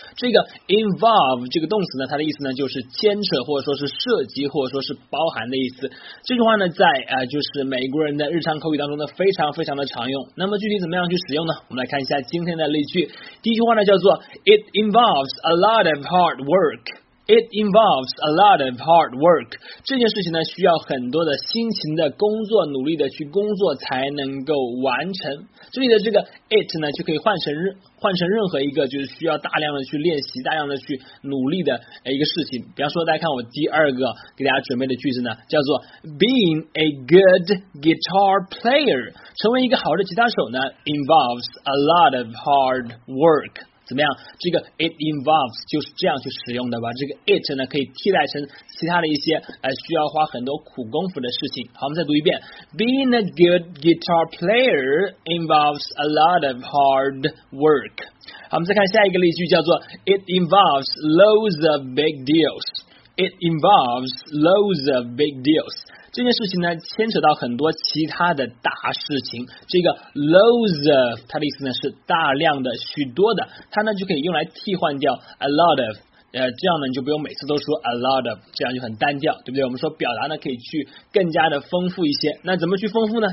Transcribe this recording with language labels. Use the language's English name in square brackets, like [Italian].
[Chinese] 这个 involve 这个动词呢，它的意思呢就是牵扯，或者说是涉及，或者说是包含的意思。这句话呢，在就是美国人的日常口语当中呢，非常非常的常用。那么具体怎么样去使用呢？我们来看一下今天的例句。第一句话呢，叫做 it involves a lot of hard work。 [English] It involves a lot of hard work. [Chinese] 这件事情呢，需要很多的辛勤的工作，努力的去工作才能够完成。这里的这个 it 呢，就可以换成任何一个就是需要大量的去练习、大量的去努力的一个事情。比方说，大家看我第二个给大家准备的句子呢，叫做 Being a good guitar player. [English] 成为一个好的吉他手呢 involves a lot of hard work. [Chinese] 怎么样，这个 it involves 就是这样去使用的吧，这个 it 呢可以替代成其他的一些需要花很多苦功夫的事情。 [English] 好，我们再读一遍， Being a good guitar player involves a lot of hard work。 [Chinese] 好，我们再看下一个例句，叫做 It involves loads of big deals。 [English] It involves loads of big deals。 [Chinese] 这件事情呢，牵扯到很多其他的大事情。这个 loads of 它的意思呢是大量的、许多的，它呢就可以用来替换掉 a lot of，这样呢就不用每次都说 a lot of， 这样就很单调，对不对？我们说表达呢可以去更加的丰富一些。那怎么去丰富呢？